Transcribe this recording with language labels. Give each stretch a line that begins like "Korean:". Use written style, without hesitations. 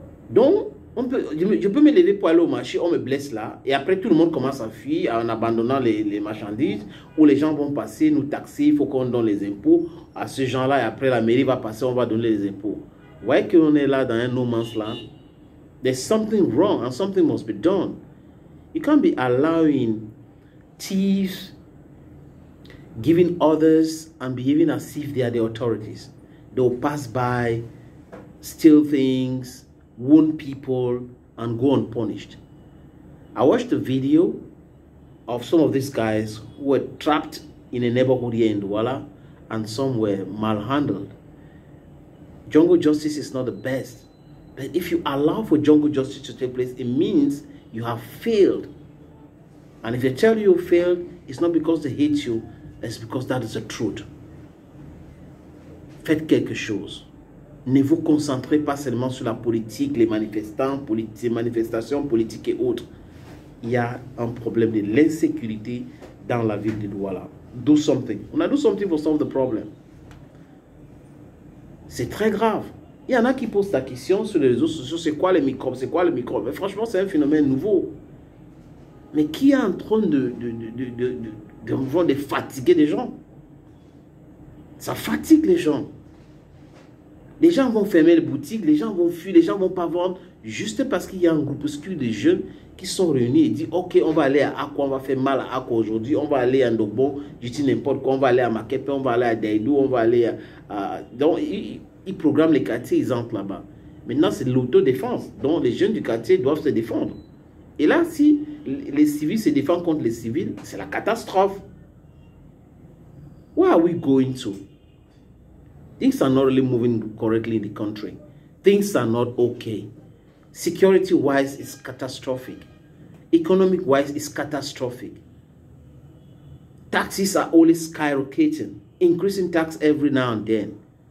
French: Donc, je peux me lever pour aller au marché, on me blesse là, et après tout le monde commence à fuir en abandonnant les marchandises, ou les gens vont passer, nous taxer, il faut qu'on donne les impôts à ce genre-là, et après la mairie va passer, on va donner les impôts. Vous voyez qu'on est là dans un no man's land.
English: There's something wrong and something must be done. You can't be allowing thieves, giving orders and behaving as if they are the authorities. They'll pass by, steal things, wound people and go unpunished. I watched a video of some of these guys who were trapped in a neighborhood here in Douala and some were malhandled. Jungle justice is not the best, but if you allow for jungle justice to take place, it means you have failed. And if they tell you failed, it's not because they hate you, it's because that is the truth.
French: Faites quelque chose. Ne vous concentrez pas seulement sur la politique, les manifestants, les manifestations politiques et autres. Il y a un problème de l'insécurité dans la ville de Douala.
English: Do something.
French: On a do something for solve the problem. C'est très grave. Il y en a qui posent la question sur les réseaux sociaux, c'est quoi les microbes, c'est quoi les microbes. Mais franchement, c'est un phénomène nouveau. Mais qui est en train de fatiguer des gens? Ça fatigue les gens. Les gens vont fermer les boutiques, les gens vont fuir, les gens ne vont pas vendre. Juste parce qu'il y a un groupuscule de jeunes qui sont réunis et disent « Ok, on va aller à Akko, on va faire mal à Akko aujourd'hui, on va aller à Ndobo, je dis n'importe quoi, on va aller à Makepe, on va aller à Daidou, on va aller à... » Donc, ils programment les quartiers, ils entrent là-bas. Maintenant, c'est l'autodéfense. Donc, les jeunes du quartier doivent se défendre. Et là, si les civils se défendent contre les civils, c'est la catastrophe.
English: Where are we going to? Things are not really moving correctly in the country. Things are not okay. Security-wise, it's catastrophic. Economic-wise, it's catastrophic. Taxes are always skyrocketing, increasing tax every now and then.